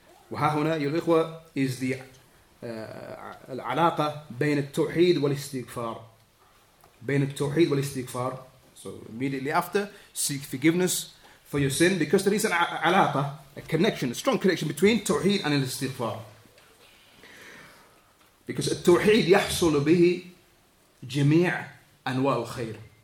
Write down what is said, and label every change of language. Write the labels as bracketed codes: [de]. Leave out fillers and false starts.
[en] Wahahuna, your ikhwa, is the [ar] العلاقة بين التوحيد والاستغفار. بين التوحيد والاستغفار. [en] So immediately after, seek forgiveness for your sin, because there is an [ar] علاقة, [en] a connection, a strong connection between [ar] توحيد [en] and [ar] الاستغفار. Because التوحيد يحصل به جميع أنواع الخير.